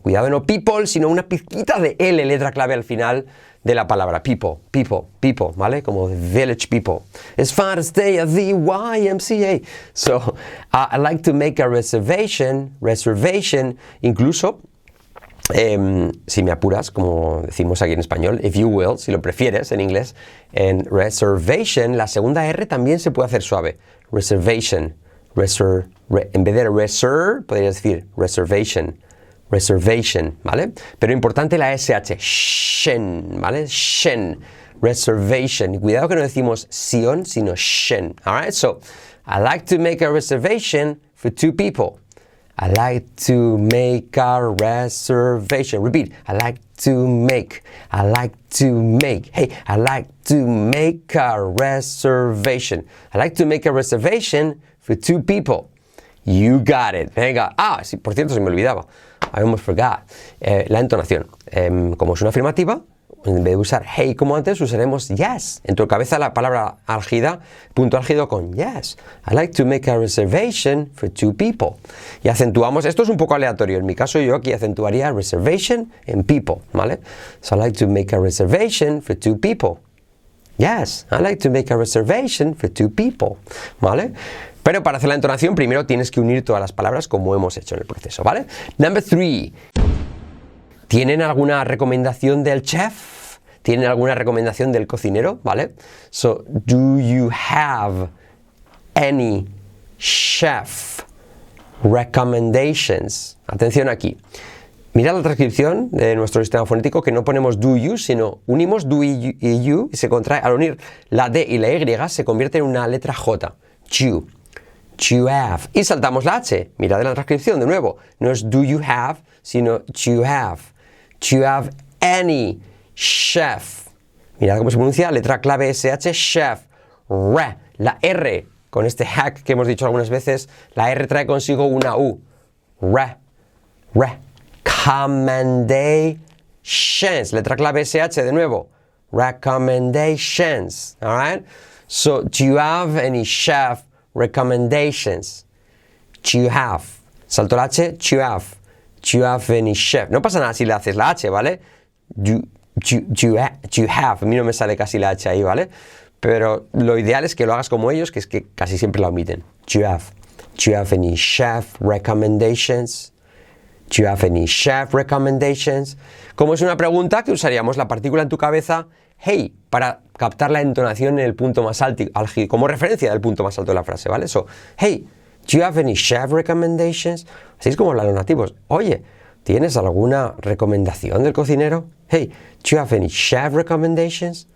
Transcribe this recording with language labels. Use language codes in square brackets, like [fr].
[es] Cuidado, no people, sino una pizquita de L, letra clave al final de la palabra. [en] People, [es] ¿vale? Como [en] village people. As far as they are, the YMCA. So, I'd like to make a reservation, [es] incluso. Si me apuras, como decimos aquí en español, [en] if you will, [es] si lo prefieres en inglés, en reservation, la segunda R también se puede hacer suave. Reservation, en vez de reserve, podrías decir reservation. Reservation, ¿vale? Pero importante la SH, shen, ¿vale? Shen, reservation. Cuidado que no decimos sion, sino shen. [en] All right, so, I like to make a reservation for two people. I like to make a reservation. Repeat, I like to make, I like to make. Hey, I like to make a reservation. I like to make a reservation for two people. You got it. [es] Venga. Ah, sí, por cierto, se me olvidaba. [en] I almost forgot. [es] La entonación. Como es una afirmativa, en vez de usar hey como antes, usaremos yes. En tu cabeza la palabra álgida, punto álgido con yes. [en] I like to make a reservation for two people. [es] Y acentuamos, esto es un poco aleatorio. En mi caso, yo aquí acentuaría reservation en people, ¿vale? [en] So I like to make a reservation for two people. Yes, I like to make a reservation for two people, [es] ¿vale? Pero para hacer la entonación, primero tienes que unir todas las palabras como hemos hecho en el proceso, ¿vale? [en] Number three. [es] ¿Tienen alguna recomendación del chef? ¿Tienen alguna recomendación del cocinero? ¿Vale? [en] So, do you have any chef recommendations? [es] Atención aquí. Mira la transcripción de nuestro sistema fonético que no ponemos do you, sino unimos do y you y se contrae. Al unir la D y la Y se convierte en una letra J. You. You have. Y saltamos la H. Mira de la transcripción de nuevo. No es do you have, sino you have. [en] Do you have any chef? [es] Mirad cómo se pronuncia, letra clave SH, chef. Re, la R, con este hack que hemos dicho algunas veces, la R trae consigo una U. Re, re. Commendations, letra clave SH de nuevo. [en] Recommendations, all right? So, do you have any chef recommendations? Do you have? [es] Salto la H, [en] do you have? Do you have any chef? [es] No pasa nada si le haces la H, ¿vale? [en] Do you have. [es] A mí no me sale casi la H ahí, ¿vale? Pero lo ideal es que lo hagas como ellos, que es que casi siempre la omiten. [en] Do you have any chef recommendations? Do you have any chef recommendations? [es] Como es una pregunta, que usaríamos la partícula en tu cabeza, hey, para captar la entonación en el punto más alto, como referencia del punto más alto de la frase, ¿vale? [en] So, hey, do you have any chef recommendations? [es] Así es como hablan los nativos. Oye, ¿tienes alguna recomendación del cocinero? [en] Hey, do you have any chef recommendations?